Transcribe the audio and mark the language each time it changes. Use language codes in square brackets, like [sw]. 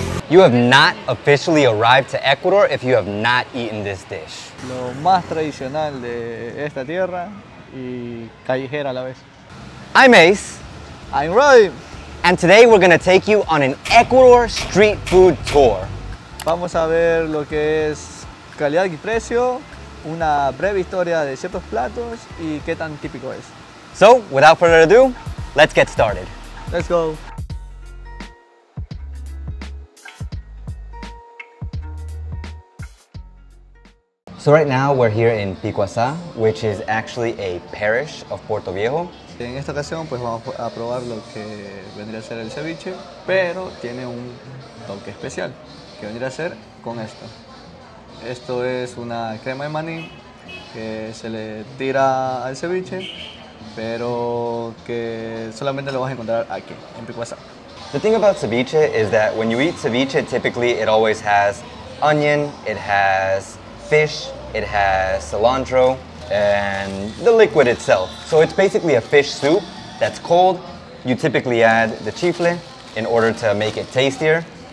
[en] You have not officially arrived to Ecuador if you have not eaten this dish. [es] Lo más tradicional de esta tierra y callejera a la vez. [en] I'm Ace. I'm Roy. And today we're going to take you on an Ecuador street food tour. [es] Vamos a ver lo que es calidad y precio, una breve historia de ciertos platos y qué tan típico es. [en] So, without further ado, let's get started. Let's go. So right now we're here in Picuasa, which is actually a parish of Portoviejo. [es] En esta ocasión pues vamos a probar lo que vendría a ser el ceviche, pero tiene un toque especial, que vendría a ser con esto. Esto es una crema de maní que se le tira al ceviche, pero que solamente lo vas a encontrar aquí, en Picuasa. [en] The thing about ceviche is that when you eat ceviche, typically it always has onion, it has fish, it has cilantro, and the liquid itself. So it's basically a fish soup that's cold. You typically add the chifle in order to make it tastier.